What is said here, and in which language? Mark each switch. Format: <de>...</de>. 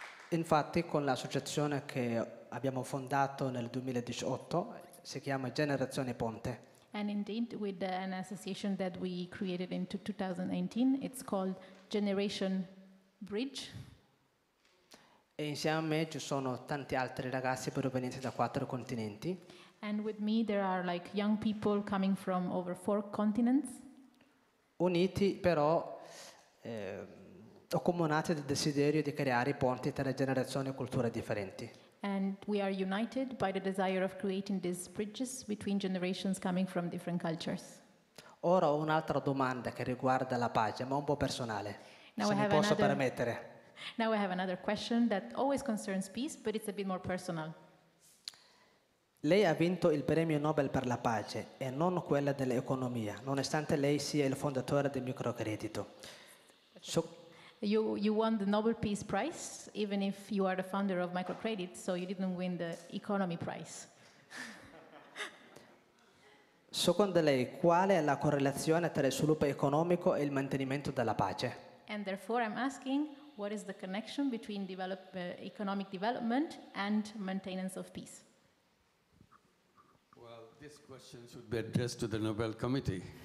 <it>Infatti, con l'associazione che abbiamo fondato nel 2018, si chiama Generazione Ponte.</it> <en>And indeed, with an association that we created in 2019, it's called Generation Bridge.</en> <it>E insieme a me ci sono tanti altri ragazzi provenienti da 4 continenti.</it> <en>And with me there are like young people coming from over 4 continents.</en> <it>Uniti però accomunati dal desiderio di creare ponti tra generazioni e culture differenti.</it> <en>And we are united by the desire of creating these bridges between generations coming from different cultures.</en> <it>Ora ho un'altra domanda che riguarda la pace, ma un po' personale.</it> <en>Now</en> <it>se mi posso permettere.</it> <en>Now I have another question that always concerns peace, but it's a bit more personal.</en> <it>Lei ha vinto il premio Nobel per la pace e non quella dell'economia, nonostante lei sia il fondatore del microcredito.</it> <en>You won the Nobel Peace Prize, even if you are the founder of microcredit, so you didn't win the economy prize.</en> <it>Secondo lei, qual è la correlazione tra il sviluppo economico e il mantenimento della pace?</it> <en>And therefore I'm asking, what is the connection between economic development and maintenance of peace? Well, this question should be addressed to the Nobel Committee.</en>